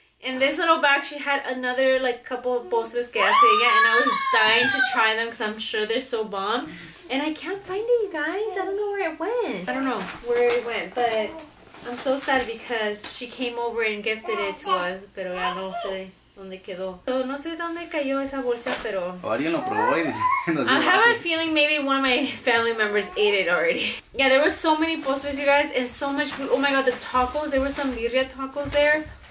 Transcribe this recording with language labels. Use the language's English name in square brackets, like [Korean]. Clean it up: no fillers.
[English] In this little bag, she had another like couple of [Spanish] postres que hace ella, [English] and I was dying to try them because I'm sure they're so bomb. And I can't find it, you guys. I don't know where it went. I don't know where it went, but I'm so sad because she came over and gifted it to us. [Spanish] Pero ya no sé dónde quedó. So, no sé dónde cayó esa bolsa, pero... [English] I have a feeling maybe one of my family members ate it already. Yeah, there were so many postres, you guys, and so much food. Oh my god, the tacos. There were some birria tacos there.